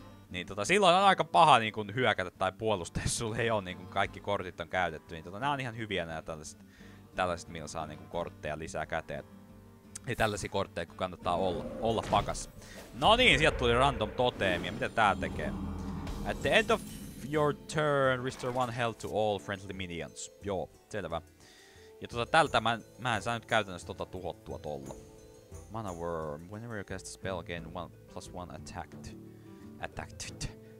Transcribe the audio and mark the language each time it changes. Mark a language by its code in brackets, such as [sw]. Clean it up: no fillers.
[fi] Niin tota, silloin on aika paha niin kun hyökätä tai puolustaa, jos sulla ei oo niin kun kaikki kortit on käytetty, niin tota, nää on ihan hyviä nää tällaiset, millä saa niin kun kortteja lisää käteen. Ei tällaisia kortteja, kun kannattaa olla pakas. No niin, sieltä tuli random totemi, ja mitä tää tekee? [en] At the end of your turn, restore 1 health to all friendly minions. [fi] Joo, selvä. Ja tota, tältä mä en saa nyt käytännössä tota tuhottua tolla. [en] Mana Worm, whenever you cast a spell, gain 1+1 attacked.